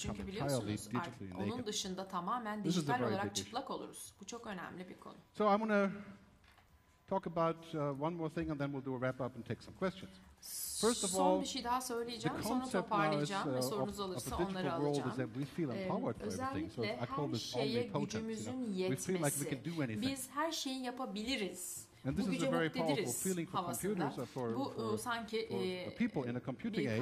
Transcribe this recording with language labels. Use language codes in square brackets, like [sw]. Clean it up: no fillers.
[tr] Çünkü biliyorsunuz onun dışında tamamen dijital olarak çıplak oluruz. Bu çok önemli bir konu. [en] So I'm going to talk about one more thing and then we'll do a wrap up and take some questions. First of all, [tr] son bir şey daha söyleyeceğim, sonra toparlayacağım ve sorunuz olursa onları alacağım. Özellikle her şeye gücümüzün yetmesi. Biz her şeyi yapabiliriz. [en] And this [tr] bu [en] is a very powerful feeling for computers or for people in a computing age,